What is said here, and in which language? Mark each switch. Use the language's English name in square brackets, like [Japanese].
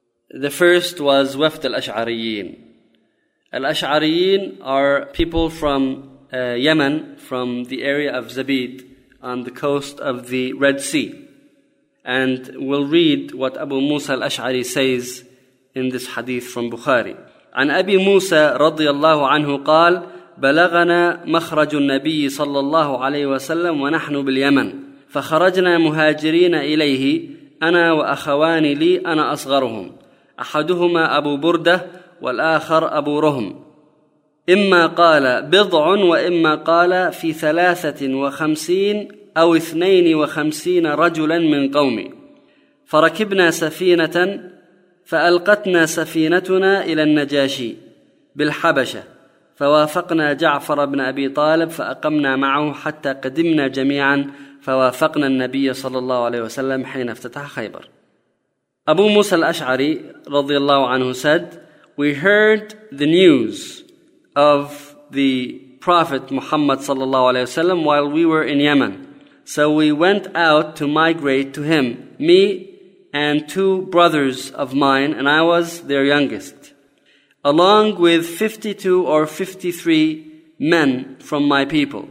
[English] The first was Wafd al-Ash'ariyin. Al-Ash'ariyin are people from Yemen, from the area of Zabid, on the coast of the Red Sea. And we'll read what Abu Musa al-Ash'ari says in this hadith from Bukhari. [Arabic] عن أبي موسى رضي الله عنه قال بلغنا مخرج النبي صلى الله عليه وسلم ونحن باليمن فخرجنا مهاجرين إليه أنا وأخواني لي أنا أصغرهم أحدهما أبو بردة والآخر أبو رهم إما قال بضع وإما قال في 53 أو 52 رجلا من قومي فركبنا سفينة فألقتنا سفينتنا إلى النجاشي بالحبشة فوافقنا جعفر بن أبي طالب فأقمنا معه حتى قدمنا جميعا فوافقنا النبي صلى الله عليه وسلم حين افتتح خيبر. [English] Abu Musa al-Ash'ari رضي الله عنه said, we heard the news of the Prophet Muhammad صلى الله عليه وسلم while we were in Yemen. So we went out to migrate to him, me and two brothers of mine, and I was their youngest, along with 52 or 53 men from my people.